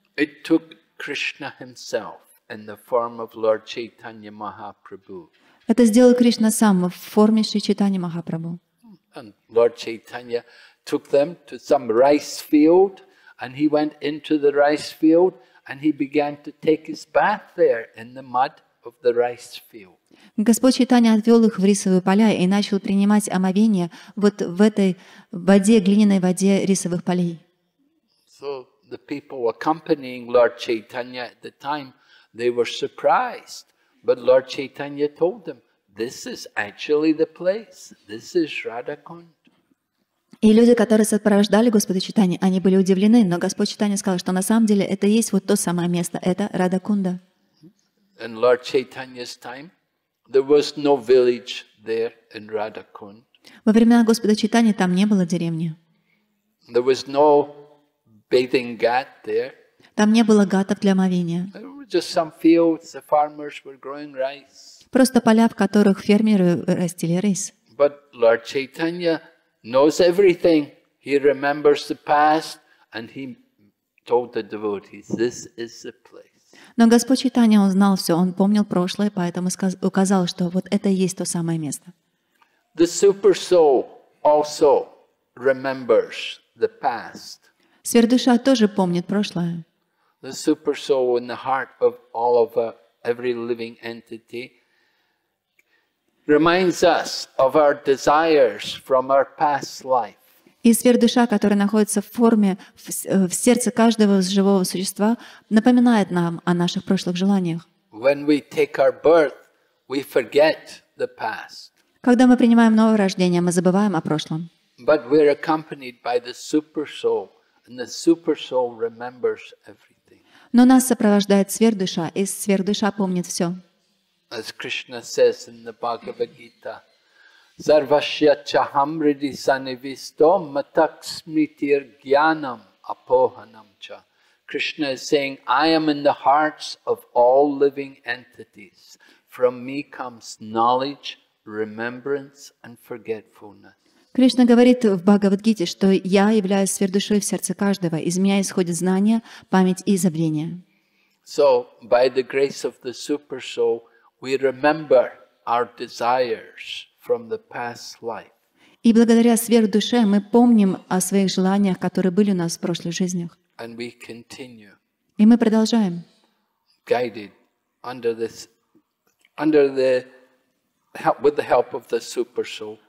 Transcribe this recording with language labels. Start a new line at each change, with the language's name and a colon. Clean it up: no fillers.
English: It took Krishna himself in the form of Lord Chaitanya Mahaprabhu.
Russian: Это сделал Кришна сам в форме Шри Чайтаньи Махапрабху.
English: And Lord Chaitanya took them to some rice field. And he went into the rice field and he began to take his bath there in the mud of the rice field.
Russian: Господь Чайтанья отвел их в рисовые поля и начал принимать омовение вот в этой воде, глиняной воде рисовых полей.
English: So the people accompanying Lord Chaitanya at the time, they were surprised. But Lord Chaitanya told them, this is actually the place, this is Radhakund.
Russian: И люди, которые сопровождали Господа Чайтанью, они были удивлены, но Господь Чайтанья сказал, что на самом деле это есть вот то самое место, это Радхакунда.
English: In Lord Chaitanya's time, there was no village there in Radhakund.
Russian: Во времена Господа Чайтанья там не было деревни.
English: There was no bathing ghat there.
Russian: Там не было гатов для омовения.
English: There were just some fields, the farmers were growing rice.
Russian: Просто поля, в которых фермеры растили рис.
English: But Lord Chaitanya knows everything. He remembers the past, and he told the devotees, "This is the place."
Russian: Но Господь Чайтанья узнал все. Он помнил прошлое, поэтому указал, что вот это и есть то самое место.
English: The super soul also remembers the past.
Russian: Сверхдуша тоже помнит прошлое.
English: The super soul in the heart of all of every living entity reminds us of our desires from our past life.
Russian: И сверхдуша, которая находится в форме в сердце каждого живого существа, напоминает нам о наших прошлых желаниях.
English: When we take our birth, we forget the past.
Russian: Когда мы принимаем новое рождение, мы забываем о прошлом.
English: But we're accompanied by the super soul, and the super soul remembers everything.
Russian: Но нас сопровождает сверхдуша, и сверхдуша помнит все.
English: As Krishna says in the Bhagavad Gita,
Sanskrit: Sarvasya chaham ridi sannivisto matak smritir gyanam apohanam cha.
English: Krishna is saying, I am in the hearts of all living entities. From me comes knowledge, remembrance and forgetfulness.
Russian: Кришна говорит в Бхагавадгите, что я являюсь сверхдушой в сердце каждого. Из меня исходит знание, память и забвение.
English: So, by the grace of the super soul, we remember our desires from the past life.
Russian: И благодаря сверхдуше мы помним о своих желаниях, которые были у нас в прошлых жизнях.
English: And we continue.
Russian: И мы продолжаем.
English: Guided under this, under the help, with the help of the super soul.